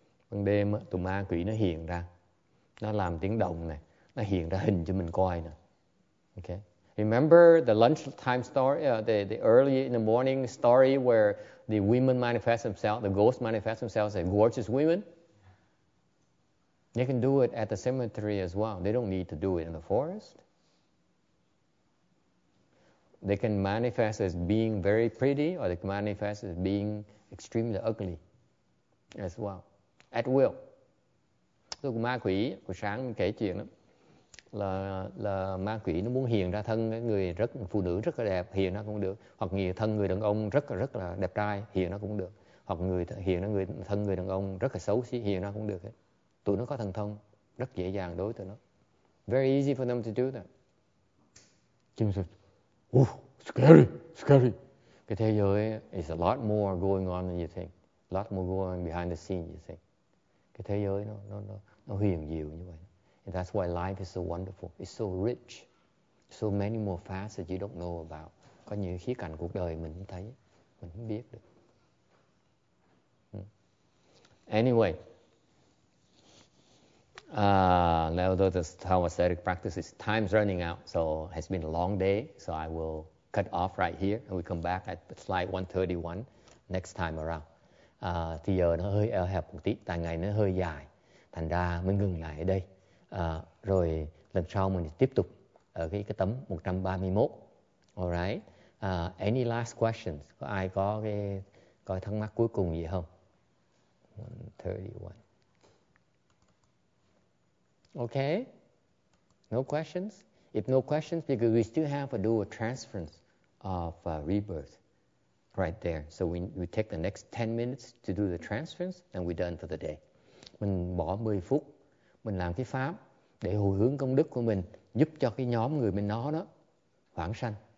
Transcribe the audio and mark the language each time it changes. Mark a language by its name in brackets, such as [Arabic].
[Vietnamese] Ban đêm tụi ma quỷ nó hiện ra. Nó làm tiếng động này, nó hiện ra hình cho mình coi nè. [English] Okay? Remember the lunchtime story, the early in the morning story where the women manifest themselves, the ghosts manifest themselves as gorgeous women? They can do it at the cemetery as well. They don't need to do it in the forest. They can manifest as being very pretty, or they can manifest as being extremely ugly as well, at will. [Vietnamese] Tôi của ma quỷ, của sáng kể chuyện đó, là ma quỷ nó muốn hiện ra thân người rất phụ nữ rất là đẹp, hiện ra cũng được. Hoặc người thân người đàn ông rất là đẹp trai, hiện ra cũng được. Hoặc người hiện ra thân người đàn ông rất là xấu xí, hiện ra cũng được hết. Tụi nó có thần thông, rất dễ dàng đối tụi nó. [English] Very easy for them to do that. Kim said, oh, scary, scary. [Vietnamese] Cái thế giới [English] is a lot more going on than you think. A lot more going on behind the scenes, you think. [Vietnamese] Cái thế giới nó huyền diệu như vậy. [English] And that's why life is so wonderful. It's so rich. So many more facets that you don't know about. [Vietnamese] Có nhiều khía cạnh cuộc đời mình không thấy, mình không biết được. [English] Anyway. Now though the aesthetic practice is time's running out, so it's been a long day, so I will cut off right here and we come back at slide 131 next time around. [Vietnamese] Thì giờ nó hơi eo hẹp một tí, tại ngày nó hơi dài, thành ra mình ngừng lại ở đây. Rồi lần sau mình tiếp tục ở cái tấm 131. Alright. [English] Any last questions? [Vietnamese] Có ai có thắc mắc cuối cùng gì không? 131. [English] Okay, no questions? If no questions, because we still have to do a transference of rebirth right there. So we take the next 10 minutes to do the transference, and we're done for the day. [Vietnamese] mình bỏ 10 phút mình làm cái pháp để hồi hướng công đức của mình giúp cho cái nhóm người bên nó đó vãng sanh.